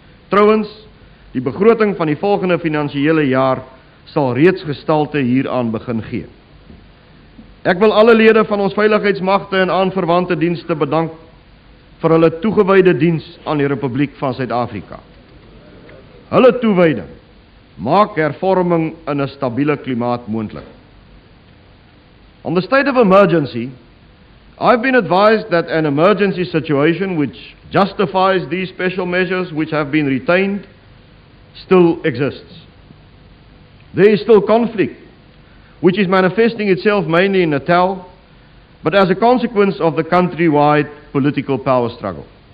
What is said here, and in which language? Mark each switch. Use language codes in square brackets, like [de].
[af] Trouwens, die begroting van die volgende finansiële jaar sal reeds gestalte hieraan begin gee. Ek wil alle lede van ons veiligheidsmagte en aanverwante dienste bedank vir hulle toegewyde diens aan die Republiek van Suid-Afrika. Hulle toewyding maak hervorming in 'n stabiele klimaat moontlik. [en] On the state of emergency, I've been advised that an emergency situation which justifies these special measures which have been retained still exists. There is still conflict, which is manifesting itself mainly in Natal, but as a consequence of the countrywide political power struggle.